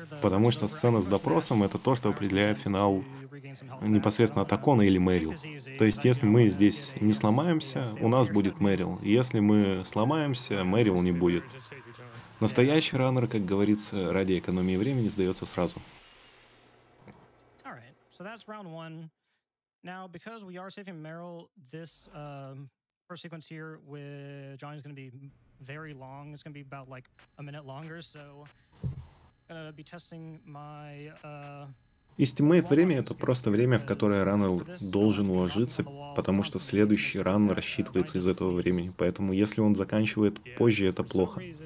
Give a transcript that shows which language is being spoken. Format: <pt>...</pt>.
<ru>Потому что сцена с допросом — это то, что определяет финал непосредственно Атакона или Мэрил. То есть, если мы здесь не сломаемся, у нас будет Мэрил. Если мы сломаемся, Мэрил не будет. Настоящий раннер, как говорится, ради экономии времени сдается сразу.</ru> <en>So that's round one. Now, because we are saving Meryl, this first sequence here with Johnny is going to be very long. It's going to be about like a minute longer. So I'm going to be testing my...</en> <ru>Эстимейт время — это просто время, в которое раннер должен уложиться, потому что следующий ран рассчитывается из этого времени. Поэтому если он заканчивает позже, это плохо.</ru>